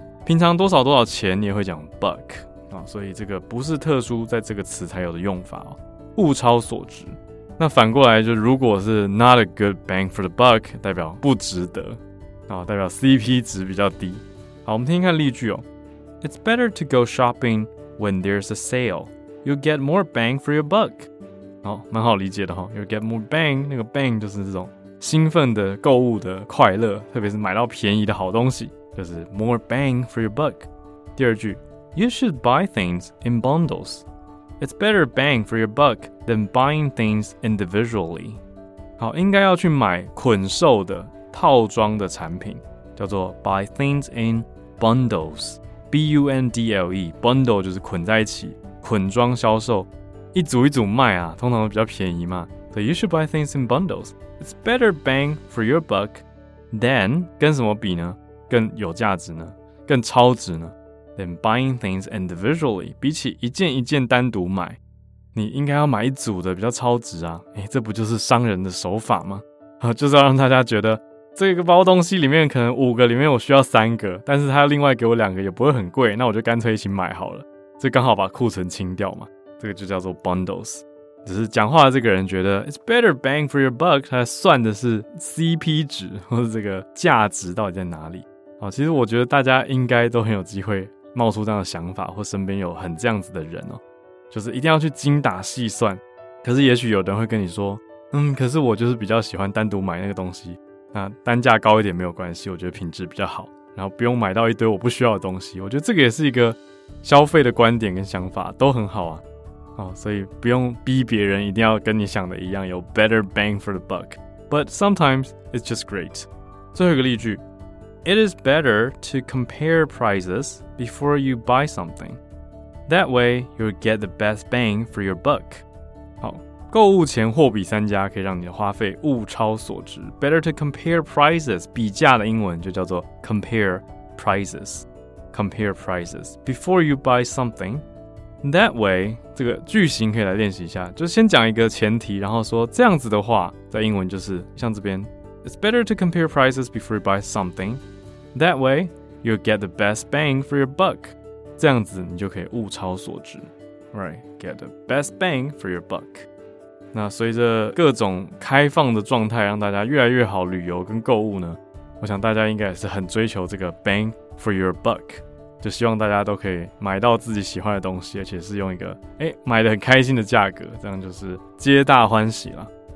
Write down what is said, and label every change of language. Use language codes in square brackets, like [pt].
[zh] 平常多少多少钱你也会讲 buck，哦，所以这个不是特殊在这个词才有的用法，哦，物超所值。那反过来就如果是 [en] not a good bang for the buck， [zh] 代表不值得，哦，代表 CP 值比较低。好，我们听一看例句哦。 [en] It's better to go shopping when there's a sale. You'll get more bang for your buck. [zh] 好，哦，蛮好理解的，哦， [en] You'll get more bang， [zh] 那个 bang 就是这种兴奋的购物的快乐，特别是买到便宜的好东西，就是 [en] more bang for your buck。第二句， You should buy things in bundles. It's better bang for your buck than buying things individually. [zh] 好，应该要去买捆售的套装的产品，叫做 [en] buy things in bundles， [zh] B-U-N-D-L-E， bundle 就是捆在一起，捆装销售，一组一组卖啊，通常都比较便宜嘛。 [en] So you should buy things in bundles. It's better bang for your buck than [zh] 跟什么比呢？更有价值呢，更超值呢 [en] than buying things individually， [zh] 比起一件一件单独买，你应该要买一组的比较超值啊，欸，这不就是商人的手法吗？就是要让大家觉得这个包东西里面可能五个里面我需要三个，但是他另外给我两个也不会很贵，那我就干脆一起买好了，这刚好把库存清掉嘛，这个就叫做 bundles。只是讲话的这个人觉得 [en] it's better bang for your buck， [zh] 他算的是 CP 值或者这个价值到底在哪里。哦，其实我觉得大家应该都很有机会冒出这样的想法，或身边有很这样子的人哦，就是一定要去精打细算。可是也许有人会跟你说，嗯，可是我就是比较喜欢单独买那个东西，那单价高一点没有关系，我觉得品质比较好，然后不用买到一堆我不需要的东西。我觉得这个也是一个消费的观点跟想法，都很好啊。哦，所以不用逼别人一定要跟你想的一样，有 [en] better bang for the buck， but sometimes it's just great。 [zh] 最后一个例句， [en] It is better to compare prices before you buy something. That way you'll get the best bang for your buck。 [zh] 好，购物前货比三家，可以让你的花费物超所值。 [en] Better to compare prices， [zh] 比价的英文就叫做 [en] compare prices。 Compare prices before you buy somethingThat way， [zh] 这个句型可以来练习一下，就先讲一个前提，然后说这样子的话，在英文就是像这边 [en] ，It's better to compare prices before you buy something. That way you'll get the best bang for your buck. [zh] 这样子你就可以物超所值 ，right? [en] Get the best bang for your buck. [zh] 那随着各种开放的状态，让大家越来越好旅游跟购物呢，我想大家应该也是很追求这个 [en] bang for your buck。 [zh] 就希望大家都可以买到自己喜欢的东西，而且是用一个买得很开心的价格，这样就是皆大欢喜啦。